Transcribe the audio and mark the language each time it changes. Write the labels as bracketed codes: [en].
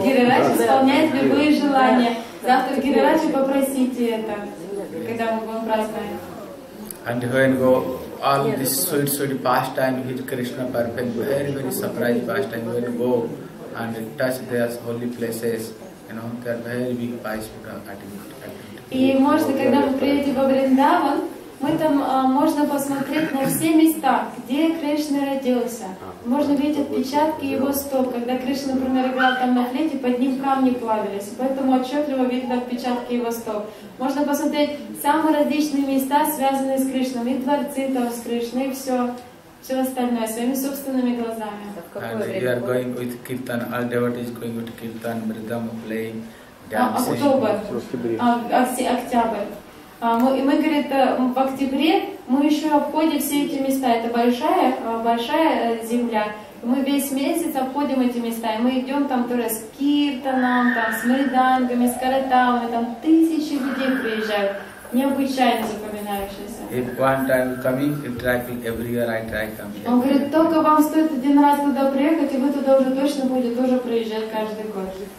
[ru] Гирирач исполняет любые желания. Завтра Гирирача попросите это, когда мы будем праздновать. [en] And when go all this sweet sweet pastime with Krishna perfect, very very surprised pastime, when go and touch their holy places, you know, they are very big pastime activity. [ru] И можно, когда мы приедем во Вриндаван, мы там можно посмотреть на все места, где Кришна родился. Можно видеть отпечатки его стоп, когда Кришна, например, играл там на флейте, под ним камни плавились. Поэтому отчетливо видно отпечатки его стоп. Можно посмотреть самые различные места, связанные с Кришной, и дворцы там с Кришной, и все. Все остальное своими собственными глазами. [en] And you are going with Kirtan, all devotees going with Kirtan, Mridam playing, dancing. Октябрь. [ru] Мы говорит, в октябре мы еще обходим все эти места. Это большая, большая земля. Мы весь месяц обходим эти места. И мы идем там тоже с киртаном, там, с мридангами, с каратамами. Там тысячи людей приезжают. Необычайно запоминающиеся. [en] One time coming, you travel everywhere, I try coming. [ru] Он говорит, только вам стоит один раз туда приехать, и вы туда уже точно будете тоже приезжать каждый год.